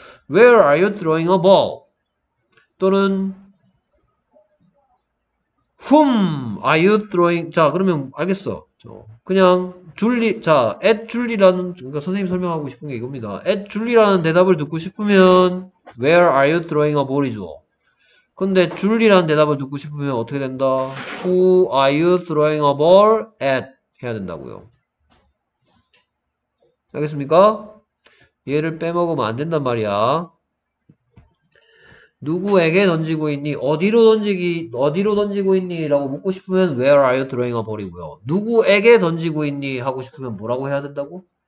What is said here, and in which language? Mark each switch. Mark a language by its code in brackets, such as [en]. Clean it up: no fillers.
[en] Where are you throwing a ball? 또는 whom are you throwing? [ko] 자 그러면 알겠어. 그냥 줄리, 자, at 줄리라는, 그러니까 선생님이 설명하고 싶은 게 이겁니다. [en] at [ko] 줄리라는 대답을 듣고 싶으면 [en] where are you throwing a ball이죠. [ko] 근데 줄리라는 대답을 듣고 싶으면 어떻게 된다? [en] who are you throwing a ball at [ko] 해야 된다고요. 알겠습니까? 얘를 빼먹으면 안 된단 말이야. 누구에게 던지고 있니? 어디로 던지고 있니? 라고 묻고 싶으면 [en] Where are you throwing a ball [ko] 이고요. 누구에게 던지고 있니? 하고 싶으면 뭐라고 해야 된다고?